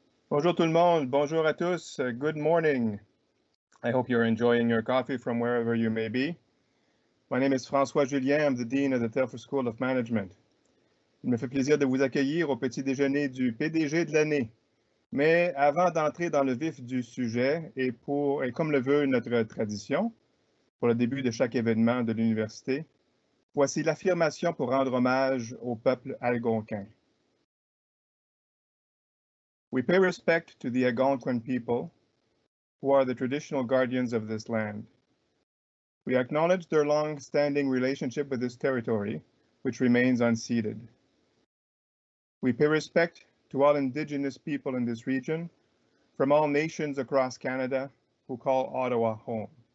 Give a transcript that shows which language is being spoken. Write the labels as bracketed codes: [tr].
[fr] Bonjour tout le monde, bonjour à tous, [en] good morning. I hope you're enjoying your coffee from wherever you may be. My name is François Julien, I'm the Dean of the Telfer School of Management. [fr] Il me fait plaisir de vous accueillir au petit déjeuner du PDG de l'année. Mais avant d'entrer dans le vif du sujet, et comme le veut notre tradition, pour le début de chaque événement de l'université, voici l'affirmation pour rendre hommage au peuple algonquin. [en] We pay respect to the Algonquin people, who are the traditional guardians of this land. We acknowledge their long-standing relationship with this territory, which remains unceded. We pay respect to all Indigenous people in this region, from all nations across Canada, who call Ottawa home.